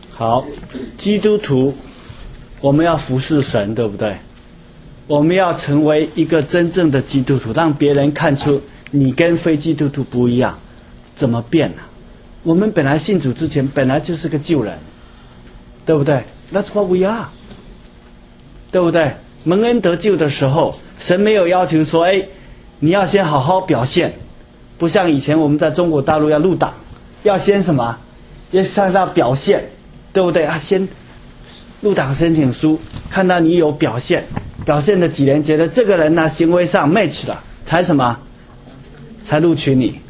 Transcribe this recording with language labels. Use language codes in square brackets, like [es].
[zh] 好，基督徒，我们要服侍神，对不对？我们要成为一个真正的基督徒，让别人看出你跟非基督徒不一样，怎么变呢？我们本来信主之前本来就是个旧人，对不对？ [en] That's what we are， 对不对？ [zh] 蒙恩得救的时候，神没有要求说，哎，你要先好好表现，不像以前我们在中国大陆要入党，要先什么，要向上表现，对不对啊？先入党申请书，看到你有表现，表现了几年，觉得这个人呢行为上 match 了，才什么，才录取你。